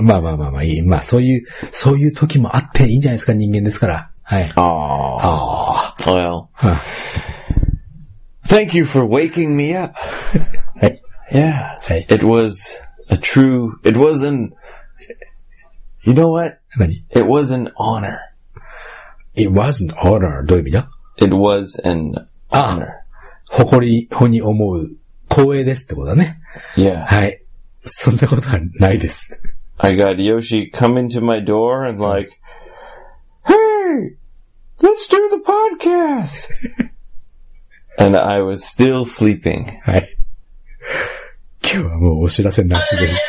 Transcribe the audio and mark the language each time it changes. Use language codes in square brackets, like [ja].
[ja] まあいい。まあそういう時もあっていいんじゃないですか、人間ですから。はい。 [en] ああ。Well. Thank you for waking me up. Yeah, It was an honor. It was an honor. [ja] どういう意味だ? [en] It was an honor. [ja] 誇りに思う光栄ですってことだね。 [en] Yeah. [ja] はい。そんなことはないです。 [en] I got Yoshi coming to my door and like, hey, let's do the podcast. And I was still sleeping. [ja] はい。今日はもうお知らせなしで。